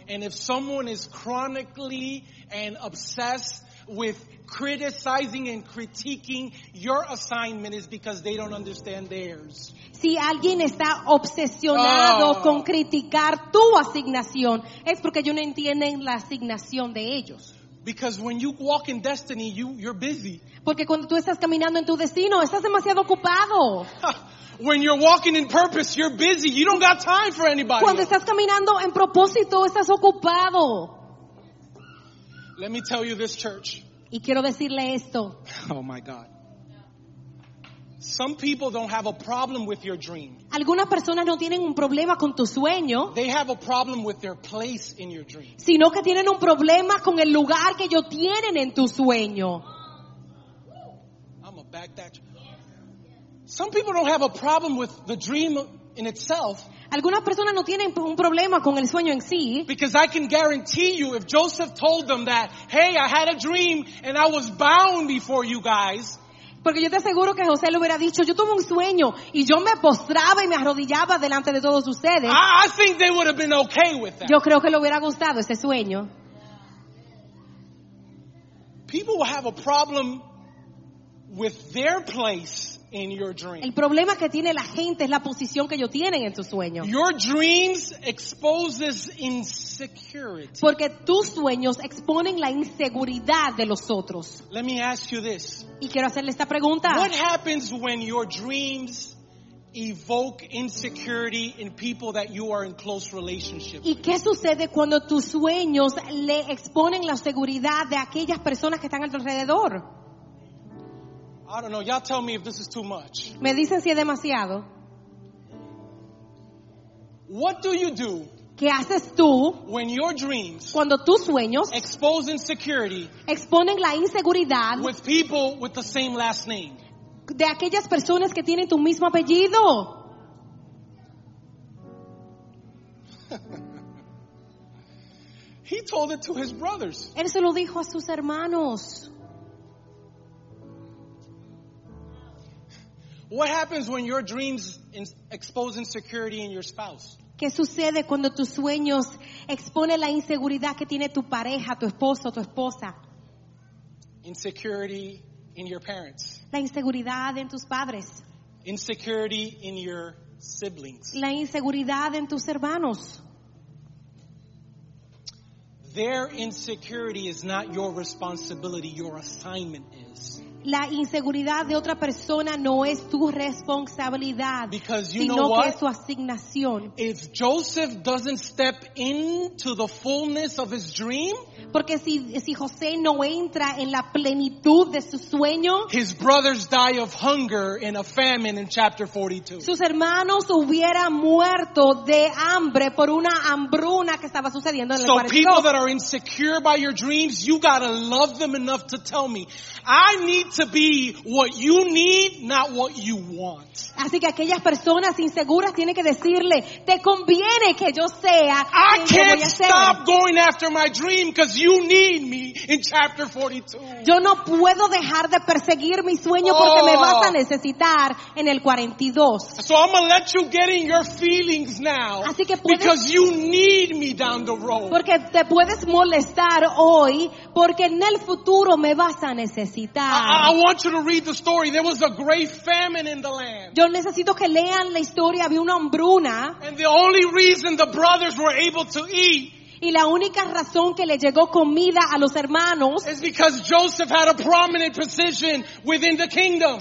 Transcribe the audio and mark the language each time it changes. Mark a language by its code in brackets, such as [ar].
[en] And if someone is chronically and obsessed with criticizing and critiquing, your assignment is because they don't understand theirs. [es] Si alguien está obsesionado con criticar tu asignación, es porque ellos no entienden la asignación de ellos. [en] Because when you walk in destiny, you're busy. [es] Porque cuando tú estás caminando en tu destino, estás demasiado ocupado. [en] When you're walking in purpose, you're busy. You don't got time for anybody. [es] Cuando estás caminando en propósito, estás ocupado. [en] Let me tell you this, church. [es] Y quiero decirle esto. [en] Oh my God. Some people don't have a problem with your dream. [es] Algunas personas no tienen un problema con tu sueño. [en] They have a problem with their place in your dream. [es] Sino que tienen un problema con el lugar que ellos tienen en tu sueño. [en] I'm a back that. Some people don't have a problem with the dream in itself. [es] Algunas personas no tienen un problema con el sueño en sí. [en] Because I can guarantee you, if Joseph told them that, hey, I had a dream and I was bound before you guys. [es] Porque yo te aseguro que José le hubiera dicho, yo tuve un sueño y yo me postraba y me arrodillaba delante de todos ustedes. [en] I think they would have been okay with that. [es] Yo creo que le hubiera gustado ese sueño. [en] People will have a problem with their place in your dream. [es] El problema que tiene la gente es la posición que ellos tienen en tu sueño. [en] Your dreams exposes insecurity. [es] Porque tus sueños exponen la inseguridad de los otros. [en] Let me ask you this. [es] Y quiero hacerle esta pregunta. [en] What happens when your dreams evoke insecurity in people that you are in close relationship with? [es] ¿Y qué sucede cuando tus sueños le exponen la inseguridad de aquellas personas que están a tu alrededor? [en] I don't know. Y'all tell me if this is too much. [es] Me dicen si es demasiado. [en] What do you do? [es] ¿Qué haces tú? [en] When your dreams, [es] cuando tus sueños, [en] expose insecurity, [es] exponen la inseguridad, [en] with people with the same last name, [es] de aquellas personas que tienen tu mismo apellido. [en] He told it to his brothers. [es] Él se lo dijo a sus hermanos. [en] What happens when your dreams expose insecurity in your spouse? [es] ¿Qué sucede cuando tus sueños exponen la inseguridad que tiene tu pareja, tu esposo, tu esposa? [en] Insecurity in your parents. [es] La inseguridad en tus padres. [en] Insecurity in your siblings. [es] La inseguridad en tus hermanos. [en] Their insecurity is not your responsibility, your assignment is. [es] La inseguridad de otra persona no es tu responsabilidad, sino que es su asignación. [en] If Joseph doesn't step into the fullness of his dream, [es] porque si José no entra en la plenitud de su sueño, [en] his brothers die of hunger in a famine in chapter 42. [es] Sus hermanos hubieran muerto de hambre por una hambruna que estaba sucediendo en el 42. [en] So people that are insecure by your dreams, you gotta love them enough to tell me, I need to be what you need, not what you want. [es] Así que aquellas personas inseguras tienen que decirle, te conviene que yo sea. [en] I can't stop going after my dream because you need me in chapter 42. [es] Yo no puedo dejar de perseguir mi sueño porque me vas a necesitar en el 42. [en] So I'm gonna let you get in your feelings now. [es] Así que [en] because you need me down the road. [es] Porque te puedes molestar hoy porque en el futuro me vas a necesitar. [en] I want you to read the story. There was a great famine in the land. [es] Yo necesito que lean la historia. Había una hambruna. [en] And the only reason the brothers were able to eat. [es] Y la única razón que le llegó comida a los hermanos [en] is because Joseph had a prominent position within the kingdom.